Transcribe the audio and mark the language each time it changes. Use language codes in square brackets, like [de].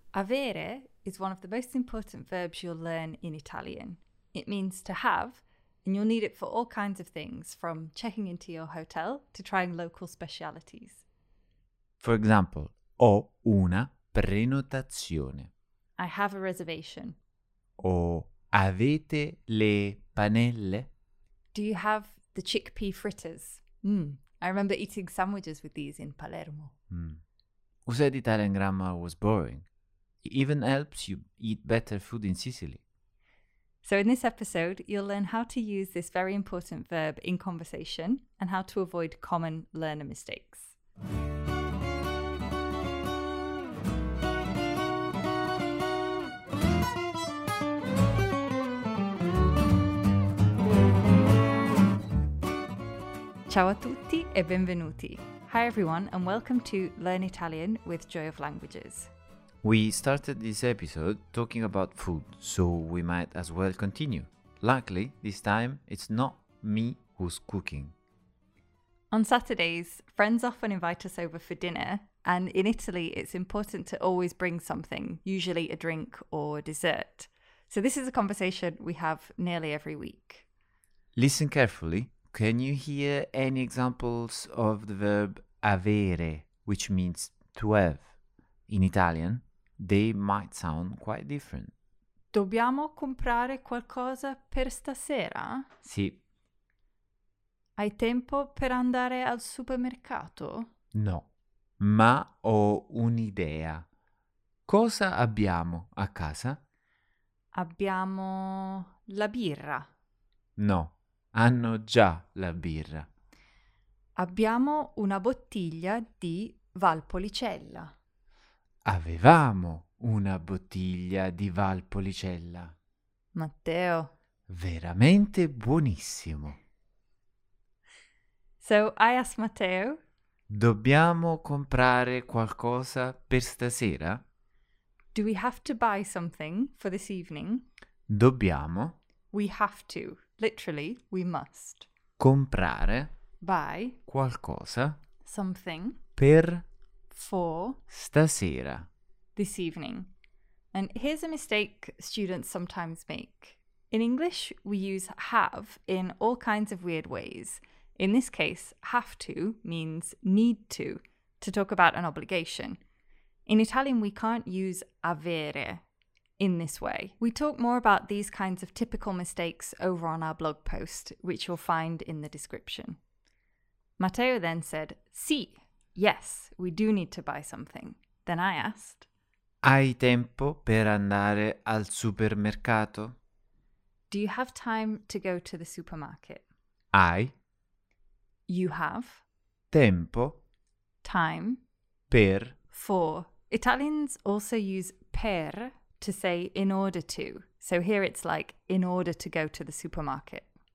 [en] Avere is one of the most important verbs you'll learn in Italian. It means to have, and you'll need it for all kinds of things, from checking into your hotel to trying local specialities. For example, [it] ho una prenotazione. [en] I have a reservation. [it] O avete le panelle? [en] Do you have the chickpea fritters? I remember eating sandwiches with these in Palermo. Who said Italian grammar was boring? It even helps you eat better food in Sicily. So in this episode, you'll learn how to use this very important verb in conversation and how to avoid common learner mistakes. [it] Ciao a tutti e benvenuti. [en] Hi everyone and welcome to Learn Italian with Joy of Languages. We started this episode talking about food, so we might as well continue. Luckily, this time it's not me who's cooking. On Saturdays, friends often invite us over for dinner, and in Italy it's important to always bring something, usually a drink or dessert. So this is a conversation we have nearly every week. Listen carefully. Can you hear any examples of the verb avere, which means to have? In Italian, they might sound quite different. [it] Dobbiamo comprare qualcosa per stasera? Sì. Hai tempo per andare al supermercato? No, ma ho un'idea. Cosa abbiamo a casa? Abbiamo la birra. No. Hanno già la birra. Abbiamo una bottiglia di Valpolicella. Avevamo una bottiglia di Valpolicella. Matteo. Veramente buonissimo. [en] So I ask Matteo. [it] Dobbiamo comprare qualcosa per stasera? [en] Do we have to buy something for this evening? [it] Dobbiamo. [en] We have to. Literally, we must. [it] Comprare. [en] Buy. [it] Qualcosa. [en] Something. [it] Per. [en] For. [it] Stasera. [en] This evening. And here's a mistake students sometimes make. In English, we use have in all kinds of weird ways. In this case, have to means need to talk about an obligation. In Italian, we can't use avere. In this way. We talk more about these kinds of typical mistakes over on our blog post, which you'll find in the description. Matteo then said, sì, yes, we do need to buy something. Then I asked, [it] hai tempo per andare al supermercato? [en] Do you have time to go to the supermarket? [it] Hai. [en] You have. [it] Tempo. [en] Time. [it] Per. [en] For. Italians also use per to say in order to. So here it's like in order to go to the supermarket.